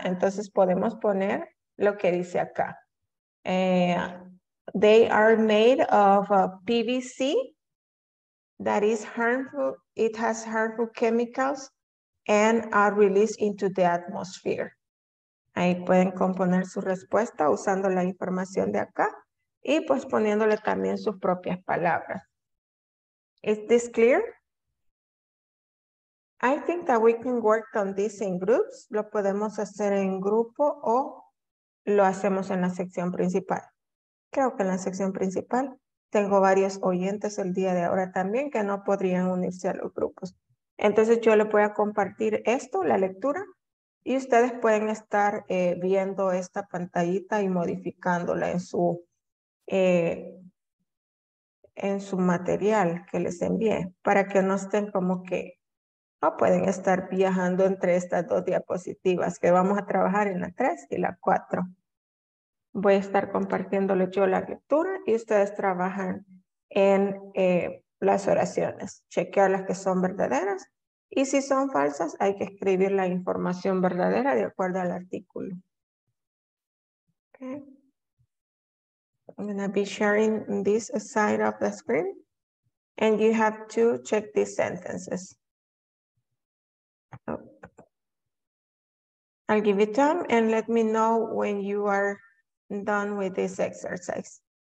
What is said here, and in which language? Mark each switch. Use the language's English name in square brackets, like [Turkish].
[Spanish] Entonces podemos poner lo que dice acá. [English] They are made of PVC that is harmful. It has harmful chemicals and are released into the atmosphere. [Spanish] Ahí pueden componer su respuesta usando la información de acá y pues poniéndole también sus propias palabras. [English] Is this clear? I think that we can work on this in groups. [Spanish] Lo podemos hacer en grupo o lo hacemos en la sección principal. Creo que en la sección principal tengo varios oyentes el día de ahora también que no podrían unirse a los grupos. Entonces yo les voy a compartir esto, la lectura, y ustedes pueden estar viendo esta pantallita y modificándola en su material que les envié para que no estén como que no pueden estar viajando entre estas dos diapositivas que vamos a trabajar en la 3 y la 4. Voy a estar compartiéndole yo la lectura y ustedes trabajan en las oraciones. Chequear las que son verdaderas y si son falsas hay que escribir la información verdadera de acuerdo al artículo. [English] Okay. I'm going to be sharing this side of the screen and you have to check these sentences. I'll give you time and let me know when you are done with this exercise.